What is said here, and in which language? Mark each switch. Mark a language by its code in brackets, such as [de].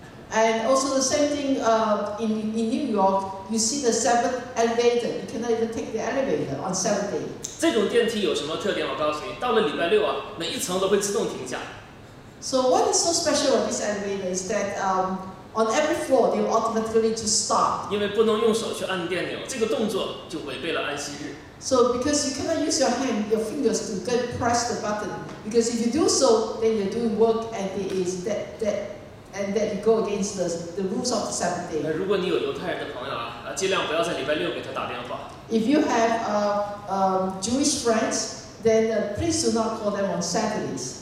[en] And also the same thing in New York, you see the Sabbath elevator. You cannot even take the elevator on seventh day. [zh] 这种电梯有什么特点？我告诉你，到了礼拜六啊，每一层都会自动停下。 [en] So what is so special about this elevator is that on every floor, they will automatically just stop. [zh] 因为不能用手去按电钮，这个动作就违背了安息日。 [en] So because you cannot use your hand, your fingers to get press the button. Because if you do so, then you're doing work and it is that you go against the rules of the Sabbath day. [zh] 如果你有犹太人的朋友啊，尽量不要在礼拜六给他打电话。 [en] If you have Jewish friends, then please do not call them on Saturdays.